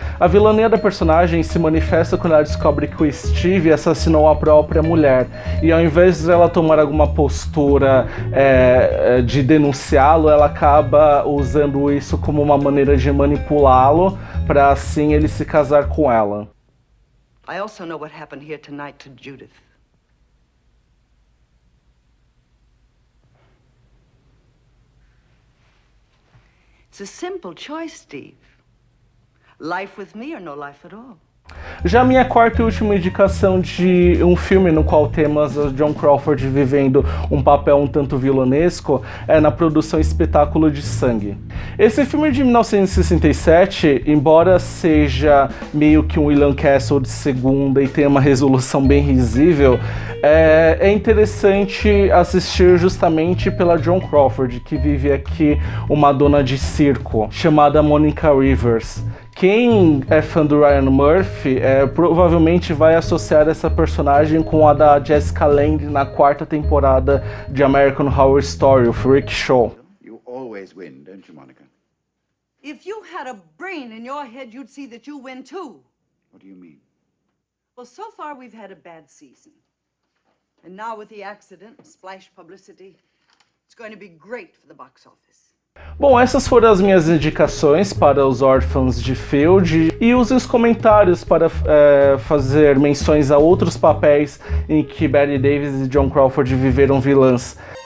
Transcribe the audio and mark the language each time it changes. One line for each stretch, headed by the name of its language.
Portuguese: A vilania da personagem se manifesta quando ela descobre que o Steve assassinou a própria mulher. E ao invés dela tomar alguma postura de denunciá-lo, ela acaba usando isso como uma maneira de manipulá-lo para assim ele se casar com ela.
English: I also know what happened here tonight to Judith. It's a simple choice, Steve. Life with me or no life at all?
Portuguese: Já minha quarta e última indicação de um filme no qual temos a Joan Crawford vivendo um papel um tanto vilanesco é na produção Espetáculo de Sangue. Esse filme de 1967, embora seja meio que um William Castle de segunda e tenha uma resolução bem risível, é interessante assistir justamente pela Joan Crawford, que vive aqui uma dona de circo chamada Monica Rivers. Quem é fã do Ryan Murphy provavelmente vai associar essa personagem com a da Jessica Lange na quarta temporada de American Horror Story, o Freak Show.
English: You always win, don't you, Monica? If you had a brain in your head, you'd see that you win too. What do you mean? Well, so far we've had a bad season. And now with the accident, splash publicity, it's going to be great for the box office.
Portuguese: Bom, essas foram as minhas indicações para os órfãos de Field e use os comentários para fazer menções a outros papéis em que Bette Davis e Joan Crawford viveram vilãs.